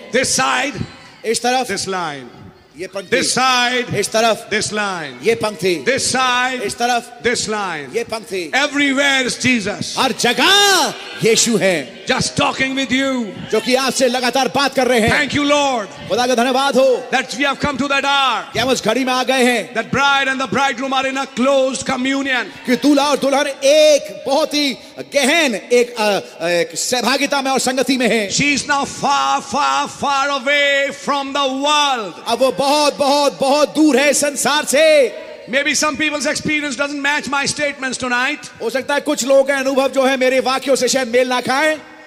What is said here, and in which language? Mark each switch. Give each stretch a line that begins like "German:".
English: This side.
Hindi: इस तरफ.
English: This line.
Hindi: ये पंक्ति.
English: This side.
Hindi: इस तरफ.
English: This line.
Hindi: ये पंक्ति.
English: This side.
Hindi: इस तरफ.
English: This line.
Hindi: ये पंक्ति.
English: Everywhere is Jesus.
Hindi: हर जगह यीशु है.
English: Just talking with you.
Hindi: जो कि आपसे लगातार बात कर रहे हैं.
English: Thank you, Lord.
Hindi: खुदा का धन्यवाद हो.
English: That we have come to that hour.
Hindi: कि हम उस घड़ी में आ गए हैं.
English: That bride and the bridegroom are in a closed communion.
Hindi: कि दूल्हा और दुल्हन एक बहुत ही गहन एक एक सहभागिता में और संगति में हैं.
English: She is now far, far, far away from the world.
Hindi: अब वो बहुत, बहुत, बहुत दूर है संसार से.
English: Maybe some people's experience doesn't match my statements tonight.
Hindi: हो सकता है कुछ लोगों का अनुभव जो है मेरे वाक्यों से शायद मेल ना खाए.